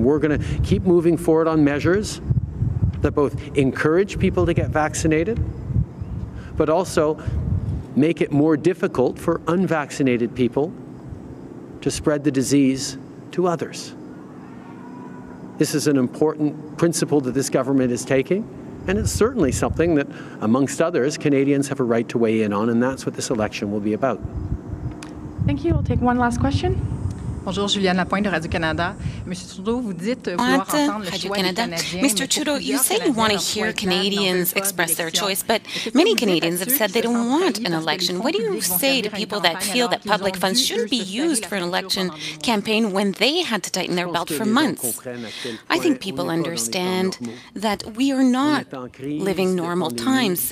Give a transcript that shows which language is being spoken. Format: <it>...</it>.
<en>And we're going to keep moving forward on measures that both encourage people to get vaccinated, but also make it more difficult for unvaccinated people to spread the disease to others. This is an important principle that this government is taking, and it's certainly something that, amongst others, Canadians have a right to weigh in on, and that's what this election will be about. Thank you. We'll take one last question.</en> <fr>Bonjour, Juliane Lapointe de Radio-Canada. Monsieur Trudeau, vous dites vouloir entendre le choix Canadiens.</fr> <en>Mr. Trudeau, you say you want to hear Canadians express their choice, but many Canadians have said they don't want an election. What do you say to people that feel that public funds shouldn't be used for an election campaign when they had to tighten their belt for months? I think people understand that we are not living normal times.</en>